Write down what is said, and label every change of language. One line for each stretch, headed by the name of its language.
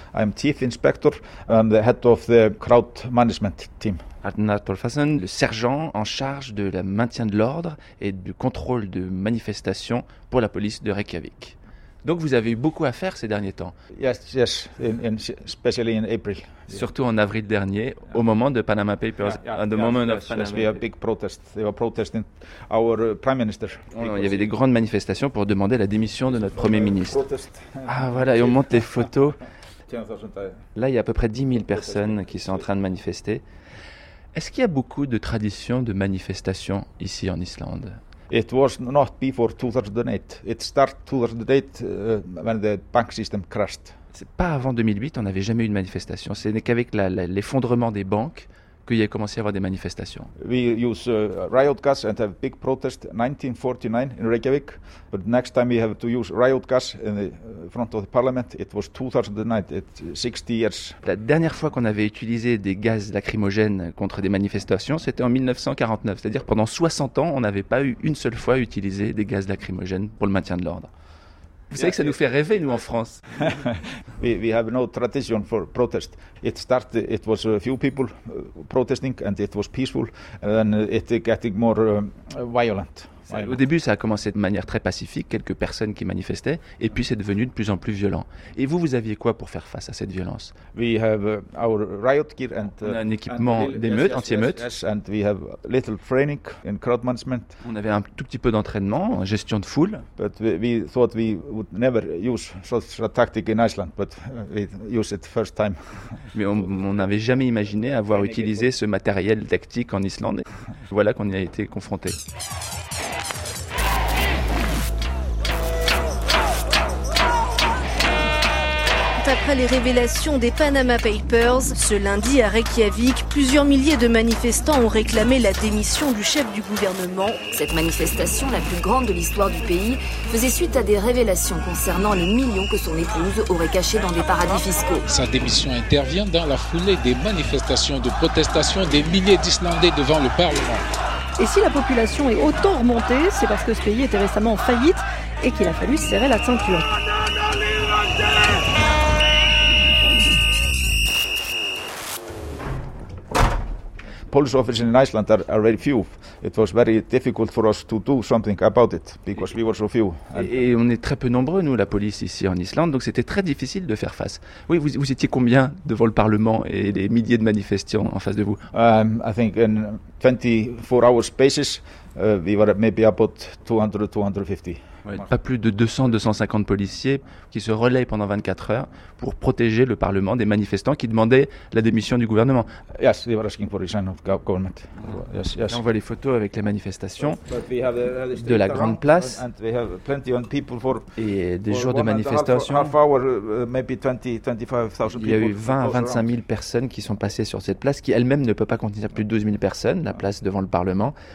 English: I'm chief inspector and the head of the crowd management team.
French: Arnar Tolfason, le sergent en charge de la maintien de l'ordre et du contrôle de manifestations pour la police de Reykjavik. Donc vous avez eu beaucoup à faire ces derniers temps.
English: Yes, in especially in April.
French: Surtout en avril dernier, au moment de Panama Papers, il y avait des grandes manifestations pour demander la démission de notre premier ministre. Ah voilà, et on monte les photos. Là, il y a à peu près 10 000 personnes qui sont en train de manifester. Est-ce qu'il y a beaucoup de traditions de manifestation ici en Islande?
English: It was not before 2008. It started 2008 when the bank system crashed.
French: C'est pas avant 2008, on n'avait jamais eu de manifestation. Ce n'est qu'avec l'effondrement des banques qu'il y a commencé à avoir des manifestations.
English: We use riot gas and have big protest 1949 in Reykjavik. But next time we have to use riot gas in the front of the parliament, it was 2009, it's 60 years.
French: La dernière fois qu'on avait utilisé des gaz lacrymogènes contre des manifestations, c'était en 1949. C'est-à-dire pendant 60 ans, on n'avait pas eu une seule fois utilisé des gaz lacrymogènes pour le maintien de l'ordre. Vous savez que ça nous fait rêver, nous, en France.
English: We have no tradition for protest. It started, it was a few people protesting and it was peaceful. And then it getting more violent.
French: Au début, ça a commencé de manière très pacifique, quelques personnes qui manifestaient, et puis c'est devenu de plus en plus violent. Et vous, vous aviez quoi pour faire face à cette violence?
English: We have our riot gear and,
French: on a un équipement d'émeute, anti-émeute.
English: Yes, and we have little training in crowd management.
French: On avait un tout petit peu d'entraînement en gestion de foule.
English: But we thought we would never use such a tactic in Iceland, but we used it first time.
French: Mais on n'avait jamais imaginé avoir utilisé ce matériel tactique en Islande. Voilà qu'on y a été confronté. Après les révélations des Panama Papers, ce lundi à Reykjavik, plusieurs milliers de manifestants ont réclamé la démission du chef du gouvernement. Cette manifestation, la plus grande de l'histoire du pays, faisait suite à des révélations concernant les millions que son épouse aurait cachés dans des paradis fiscaux. Sa démission intervient dans la foulée des manifestations de protestation des milliers d'Islandais devant le Parlement. Et si la population est autant remontée, c'est parce que ce pays était récemment en faillite et qu'il a fallu serrer la ceinture.
English: Police officers in Iceland are very few. It was very difficult for us to do something about it because we were so few.
French: Et on est très peu nombreux, nous, la police ici en Islande, donc c'était très difficile de faire face. Oui, vous étiez combien devant le Parlement et les milliers de manifestants en face de vous?
English: I think in 24 hours basis, we were maybe about 200-250.
French: Ouais, pas plus de 200-250 policiers qui se relaient pendant 24 heures pour protéger le Parlement des manifestants qui demandaient la démission du gouvernement.
English: Yes, they were asking for the resignation of government. Yes, yes.
French: Là, on voit les photos avec les manifestations de la grande place
English: and we have plenty of people for,
French: et des jours de manifestation. Il y a eu 20 à 25 000 personnes qui sont passées sur cette place qui elle-même ne peut pas contenir plus de 12 000 personnes, la place devant le Parlement.